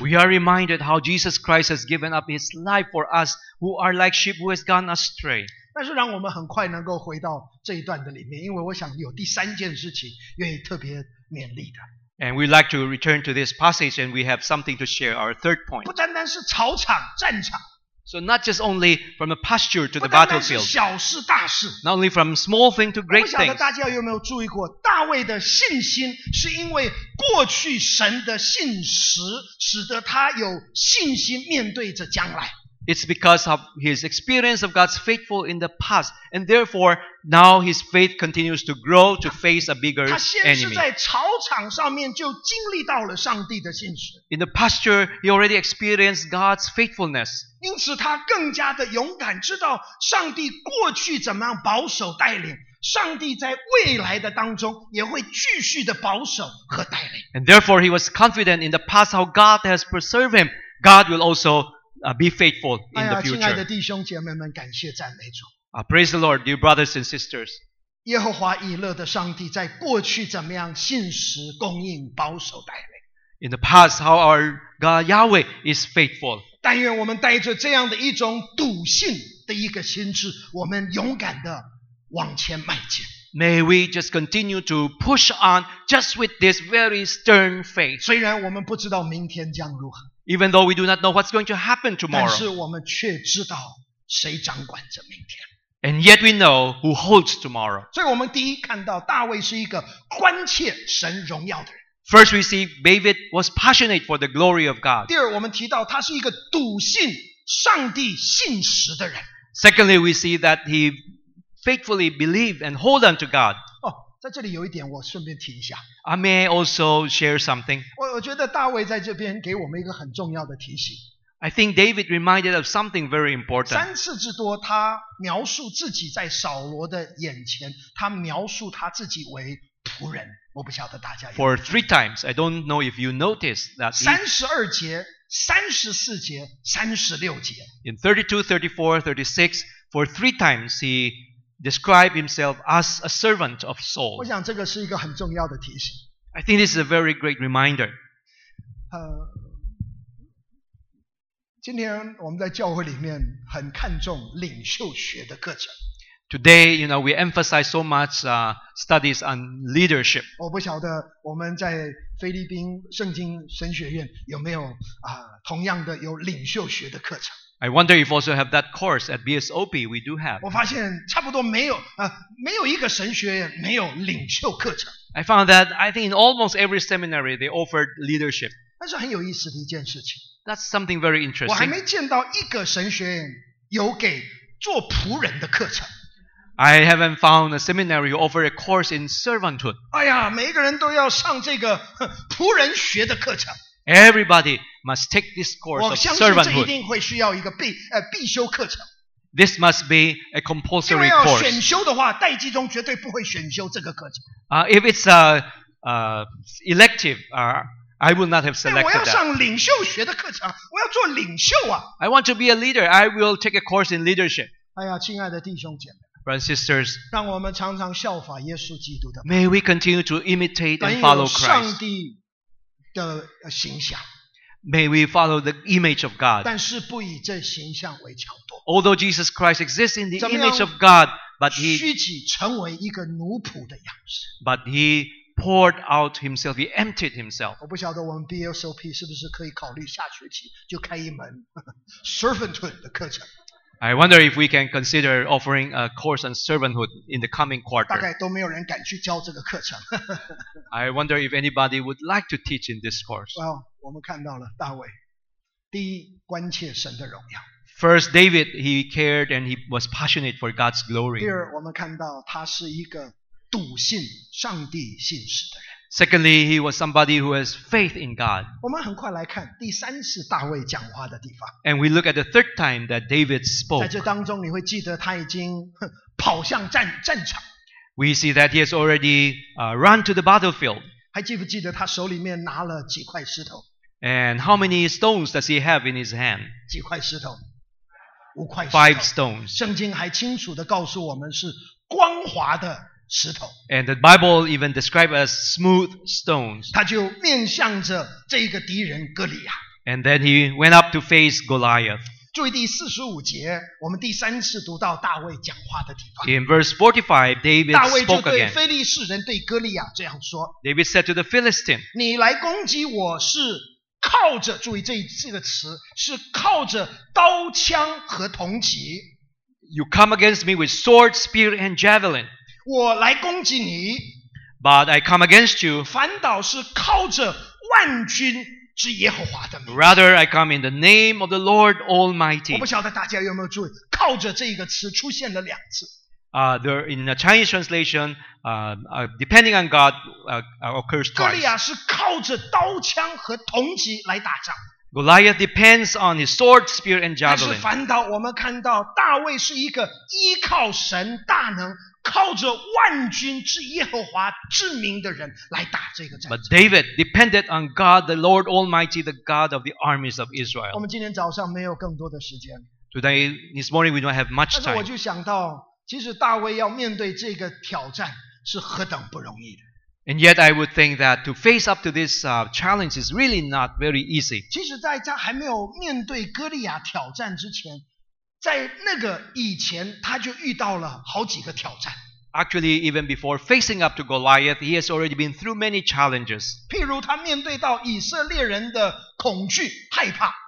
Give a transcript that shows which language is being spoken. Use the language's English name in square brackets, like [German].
[English] We are reminded how Jesus Christ has given up his life for us who are like sheep who has gone astray. [Chinese] 但是让我们很快能够回到这一段的里面，因为我想有第三件事情愿意特别勉励的。 [English] And we'd like to return to this passage and we have something to share our third point. [Chinese] 不单单是草场战场。 [English] So not just only from the pasture to the battlefield. [Chinese] 不单单是小事大事。 [English] Not only from small thing to great things. [Chinese] 我不晓得大家有没有注意过，大卫的信心是因为过去神的信实使得他有信心面对着将来。 [English] It's because of his experience of God's faithful in the past, and therefore now his faith continues to grow to face a bigger enemy. [Chinese] 他先是在草场上面就经历到了上帝的信实。 In the pasture, he already experienced God's faithfulness. 因此他更加的勇敢，知道上帝过去怎么样保守带领。上帝在未来的当中也会继续的保守和带领。 [English] And therefore he was confident in the past how God has preserved him. God will also be faithful in the future. [Chinese] 亲爱的弟兄姐妹们，感谢赞美主。 [English] Praise the Lord, dear brothers and sisters. [Chinese] 耶和华以勒的上帝在过去怎么样信实供应保守带领。 [English] In the past, how our God Yahweh is faithful. [Chinese] 但愿我们带着这样的一种笃信的一个心智，我们勇敢地往前迈进。 [English] May we just continue to push on just with this very stern faith. [Chinese] 虽然我们不知道明天将如何。 [English] Even though we do not know what's going to happen tomorrow. [Chinese] 但是我们却知道谁掌管着明天。 [English] And yet we know who holds tomorrow. [Chinese] 所以我们第一看到大卫是一个关切神荣耀的人。 [English] First, we see David was passionate for the glory of God. [Chinese] 第二，我们提到他是一个笃信上帝信实的人。 [English] Secondly, we see that he faithfully believed and hold on to God. [Chinese] 哦，在这里有一点我顺便提一下。 [English] May I also share something? [Chinese] 我觉得大卫在这边给我们一个很重要的提醒。 [English] I think David reminded of something very important. [Chinese] 三次之多，他描述自己在扫罗的眼前，他描述他自己为仆人。我不晓得大家。 [English] For three times, I don't know if you noticed that. 32, 34, 36 In 32, 34, 36, for three times he described himself as a servant of Saul. [Chinese] 我想这个是一个很重要的提醒。 [English] I think this is a very great reminder. [Chinese] 今天我们在教会里面很看重领袖学的课程。 [English] Today, you know, we emphasize so much studies on leadership. [Chinese] 我不晓得我们在菲律宾圣经神学院有没有同样的有领袖学的课程。 [English] I wonder if also have that course at BSOP. We do have. [Chinese] 我发现差不多没有没有一个神学院没有领袖课程。 [English] I found that I think in almost every seminary they offered leadership. [Chinese] 但是很有意思的一件事情。 [English] That's something very interesting. [Chinese] 我还没见到一个神学院有给做仆人的课程。 [English] I haven't found a seminary who offer a course in servanthood. [Chinese] 哎呀，每一个人都要上这个仆人学的课程。 [English] Everybody must take this course of servanthood. [Chinese] 我相信这一定会需要一个必修课程。 [English] This must be a compulsory course. [Chinese] 因为要选修的话，戴季中绝对不会选修这个课程。 [English] If it's a elective, I will not have selected that. [Chinese] 我要上领袖学的课程，我要做领袖啊。 [English] I want to be a leader. I will take a course in leadership. [Chinese] 哎呀，亲爱的弟兄姐妹。 [English] Sisters, [Chinese] 让我们常常效法耶稣基督的。 [English] May we continue to imitate and follow Christ. [Chinese] 上帝的形象。 [English] May we follow the image of God. [Chinese] 但是不以这形象为角度。 [English] Although Jesus Christ exists in the image of God, but he [Chinese] 虚己成为一个奴仆的样式。 [English] But he poured out himself. He emptied himself. [Chinese] 我不晓得我们 BSOP 是不是可以考虑下学期就开一门servanthood 的课程。 [English] I wonder if we can consider offering a course on servanthood in the coming quarter. [Chinese] 大概都没有人敢去教这个课程。 [English] I wonder if anybody would like to teach in this course. [Chinese] Well, 我们看到了大卫，第一关切神的荣耀。 [English] First, David, he cared and he was passionate for God's glory. [Chinese] 第二，我们看到他是一个笃信上帝信实的人。 [English] Secondly, he was somebody who has faith in God. [Chinese] 我们很快来看第三次大卫讲话的地方。 [English] And we look at the third time that David spoke. [Chinese] 在这当中，你会记得他已经跑向战场。 [English] We see that he has already run to the battlefield. [Chinese] 还记不记得他手里面拿了几块石头？ [English] And how many stones does he have in his hand? [Chinese] 几块石头？五块石头。 [English] Five stones. [Chinese] 圣经还清楚地告诉我们是光滑的。石头。 [English] And the Bible even describes as smooth stones. [Chinese] 他就面向着这个敌人哥利亚。 [English] And then he went up to face Goliath. [Chinese] 注意第四十五节，我们第三次读到大卫讲话的地方。 [English] In verse 45, David spoke again. [Chinese] 大卫就对非利士人对哥利亚这样说。 [English] David said to the Philistine, [Chinese] 你来攻击我是靠着，注意这个词，是靠着刀枪和铜戟。 [English] You come against me with sword, spear, and javelin. [Chinese] 我来攻击你 [English] but I come against you, [Chinese] 反倒是靠着万军之耶和华的名 [English] rather I come in the name of the Lord Almighty. [Chinese] 我不晓得大家有没有注意靠着这个词出现了两次 [English] there, in the Chinese translation depending on God occurs twice. [Chinese] 哥利亚是靠着刀枪和铜戟来打仗 [English] Goliath depends on his sword, spear and javelin. [Chinese] 但是反倒我们看到大卫是一个依靠神大能靠着万军之耶和华之名的人来打这个战争。 [English] But David depended on God, the Lord Almighty, the God of the armies of Israel. [Chinese] 我们今天早上没有更多的时间。 [English] Today, this morning, we don't have much time. [Chinese] 但是我就想到其实大卫要面对这个挑战是何等不容易的。 [English] And yet I would think that to face up to this challenge is really not very easy. [Chinese] 其实在他还没有面对哥利亚挑战之前，在那个以前他就遇到了好几个挑战。 [English] Actually, even before facing up to Goliath, he has already been through many challenges. [Chinese] 譬如他面对到以色列人的恐惧、害怕。